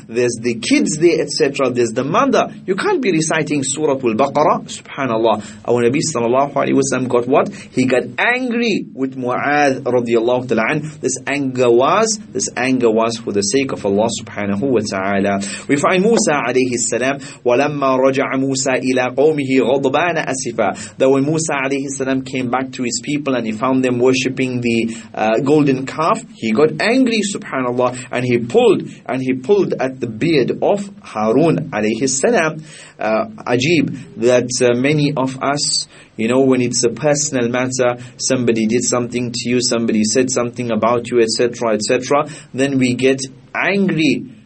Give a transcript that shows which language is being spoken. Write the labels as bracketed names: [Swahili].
[English] There's the kids there, etc. There's the mother. You can't be reciting Suratul Baqarah." Subhanallah. Our Nabi sallallahu alayhi wa sallam got what? He got angry with Mu'adh radiallahu ta'ala an. This anger was for the sake of Allah subhanahu wa ta'ala. We find Musa alayhi [Arabic] السلام ولما رجع موسى إلى قومه غضبان أسفا. [English] That when Musa alayhi salam came back to his people and he found them worshipping the golden calf, he got angry, subhanallah, and he pulled at the beard of Harun alayhi salam. Ajib, that many of us, you know, when it's a personal matter, somebody did something to you, somebody said something about you, etc., etc., then we get angry.